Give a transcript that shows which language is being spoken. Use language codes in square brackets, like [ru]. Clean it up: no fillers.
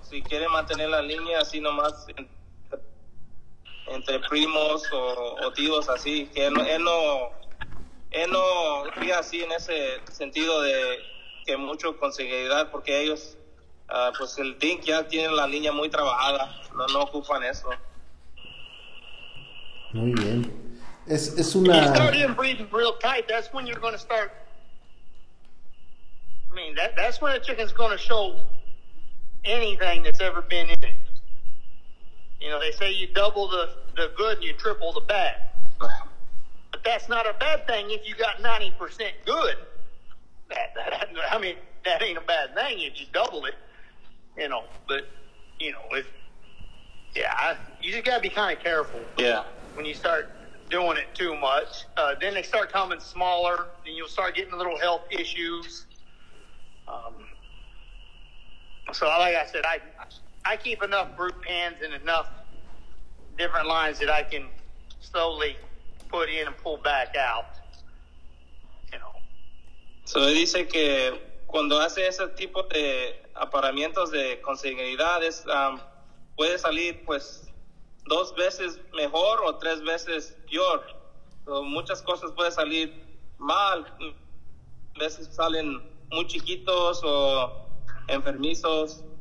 [es] Si quiere mantener la línea así nomás entre primos o tíos, así que él no fía así en ese sentido de que mucho consanguinidad, porque ellos pues el DINC ya tiene la línea muy trabajada, no ocupan eso. Muy bien. Es una. [en] If you start inbreeding real tight, that's when you're going to start. I mean, that's when a chicken's going to show anything that's ever been in it. You know, they say you double the good and you triple the bad. But that's not a bad thing if you got 90% good. That ain't a bad thing if you double it. You know, but, you know, if. Yeah, you just got to be kind of careful. Yeah. When you start doing it too much, then they start coming smaller, and you'll start getting little health issues. So, like I said, I keep enough brood pens and enough different lines that I can slowly put in and pull back out. You know. [es] So he dice que cuando hace ese tipo de aparamientos de consanguinidad es puede salir pues dos veces mejor o tres veces peor. So, muchas cosas pueden salir mal, a veces salen muy chiquitos o enfermizos.